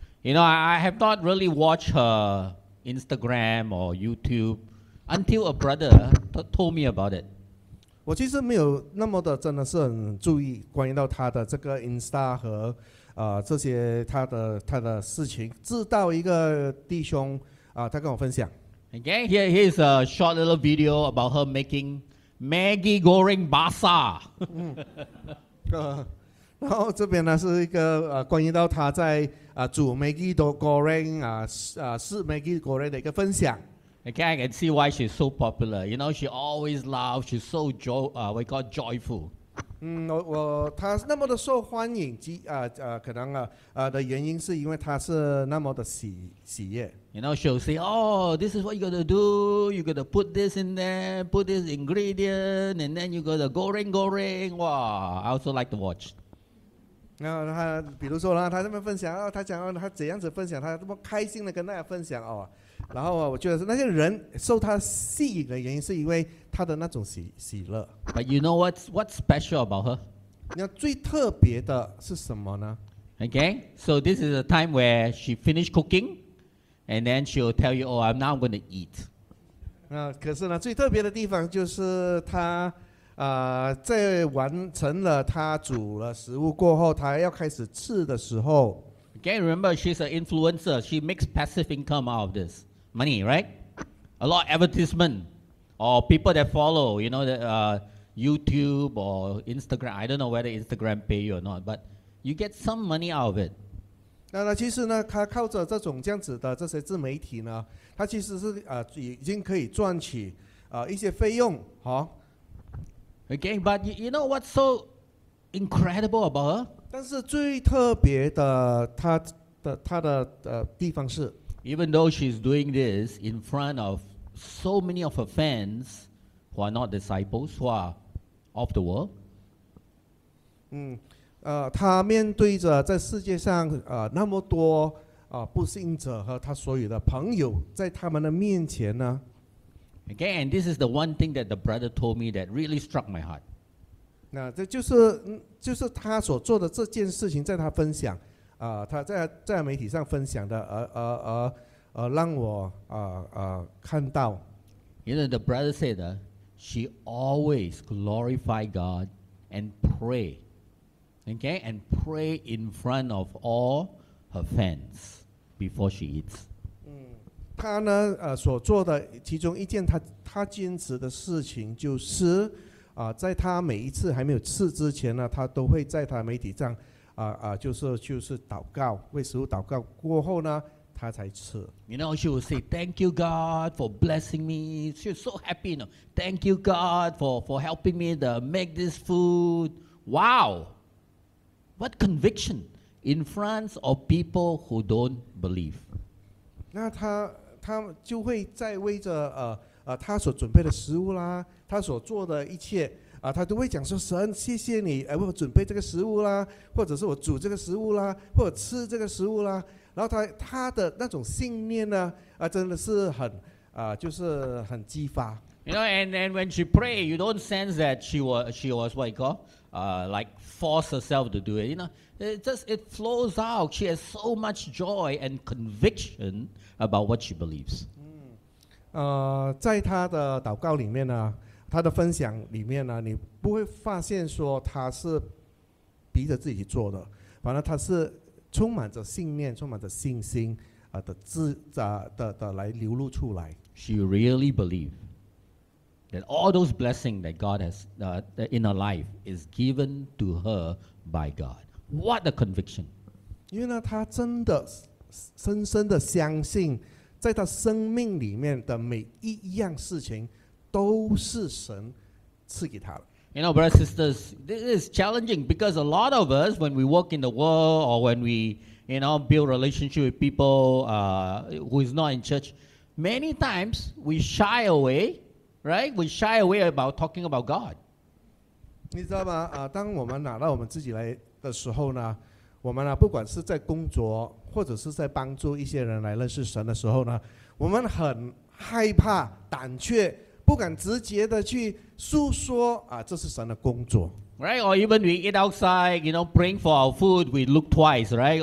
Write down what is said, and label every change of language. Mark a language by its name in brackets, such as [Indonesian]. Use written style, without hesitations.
[English] You know, I have not really watched her. Instagram or YouTube until a brother told me about it. [Chinese] 我其实没有那么的真的是很注意关于到他的这个 Insta 和这些他的事情，直到一个弟兄他跟我分享。 [English] Okay, here's a short little video about her making Maggi Goreng Basah. [Chinese] 然后这边呢是一个关于到他在煮 Maggi Goreng 是 Maggi Goreng 的一个分享。 [English] Okay, I can see why she's so popular. You know, she always laughs. She's so joyful. [Chinese] 她那么的受欢迎，可能的原因是因为她是那么的喜悦。 [English] You know, she'll say, "Oh, this is what you gotta do. You gotta put this in there, put this ingredient, and then you gotta goreng." Wow, I also like to watch. [Chinese] 然后他比如说他这边分享他讲他怎样子分享，他这么开心的跟大家分享哦。然后我觉得那些人受他吸引的原因是因为他的那种喜乐。 [English] But you know what's special about her? [Chinese] 那最特别的是什么呢？ [English] Okay, so this is a time where she finished cooking and then she'll tell you, "Oh, I'm now going to eat." [Chinese] 那可是呢，最特别的地方就是他在完成了他煮了食物过后，他要开始吃的时候。 [English] Okay, remember she's an influencer. She makes passive income out of this money, right? A lot of advertisement or people that follow, you know, the YouTube or Instagram. I don't know whether Instagram pay you or not, but you get some money out of it. [Chinese] 那其实呢，他靠着这种这样子的这些自媒体呢，他其实是已经可以赚取一些费用，好。 [English] Okay, but you know what's so incredible about her? [Chinese] 但是最特别的她的地方是 [English] even though she's doing this in front of so many of her fans who are not disciples, who are of the world. [Chinese] 她面对着在世界上那么多不信者和她所有的朋友，在他们的面前呢。 [English] Okay, and this is the one thing that the brother told me that really struck my heart. [Chinese] 那这就是他所做的这件事情，在他分享，他在媒体上分享的，让我看到。 [English] You know, the brother said, she always glorify God and pray. Okay, and pray in front of all her fans before she eats. [Chinese] 他呢，所做的其中一件他坚持的事情就是，在他每一次还没有吃之前呢，他都会在他媒体上，就是祷告，为食物祷告。过后呢，他才吃。 [English] You know, she would say, "Thank you, God, for blessing me." She was so happy, you know. Thank you, God, for helping me to make this food. Wow, what conviction in front of people who don't believe? [Chinese] 那他就会在为着他所准备的食物啦，他所做的一切。他都会讲说神谢谢你我准备这个食物啦，或者是我煮这个食物啦，或者吃这个食物啦，然后他的那种信念呢真的是很就是很激发。 [English] You know, and when she prayed, you don't sense that she was what you call, like force herself to do it. You know, it flows out. She has so much joy and conviction about what she believes. [Chinese] 在他的祷告里面呢，他的分享里面呢，你不会发现说他是逼着自己做的，反正他是充满着信念，充满着信心的字的来流露出来。 [English] She really believe that all those blessings that God has in her life is given to her by God. What a conviction! [Chinese] 因为呢，他真的深深的相信，在他生命里面的每一样事情。都是神赐给他的。 [English] You know, brothers, sisters, this is challenging because a lot of us, when we walk in the world or when we, you know, build relationship with people who is not in church, many times we shy away, right? We shy away about talking about God. [Chinese] 你知道吗？当我们拿到我们自己来的时候呢，我们不管是在工作或者是在帮助一些人来认识神的时候呢，我们很害怕、胆怯。不敢直接的去诉说这是神的工作 [English] ，right? Or even we eat outside, you know, praying for our food, we look twice, right?